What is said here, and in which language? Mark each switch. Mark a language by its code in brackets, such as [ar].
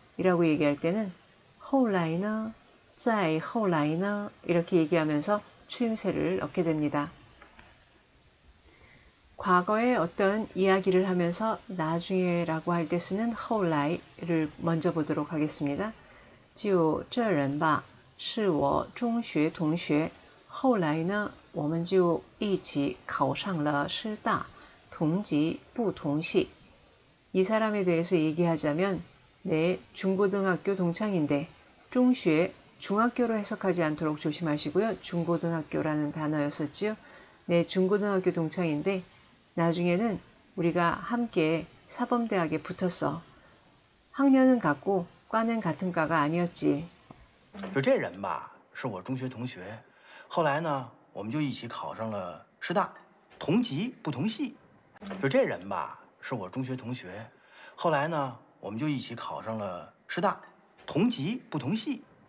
[ko] 이라고 얘기할 때는 허울라이너, 짜이 허울라이너 이렇게 얘기하면서 추임새를 넣게 됩니다. 과거에 어떤 이야기를 하면서 나중에라고 할때 쓰는 허울라이를 먼저 보도록 하겠습니다. [zh] 就这人吧，是我中学同学。后来呢，我们就一起考上了师大，同级不同系。 [ko] 이 사람에 대해서 얘기하자면 내 중고등학교 동창인데 중学 중학교로 해석하지 않도록 조심하시고요. 중고등학교라는 단어였었지요. 내 중고등학교 동창인데 나중에는 우리가 함께 사범대학에 붙었어. 학년은 같고 과는 같은 과가 아니었지. [zh] 就这人吧，是我中学同学，后来呢，我们就一起考上了师大，同级不同系。就这人吧，是我中学同学，后来呢，我们就一起考上了师大，同级不同系。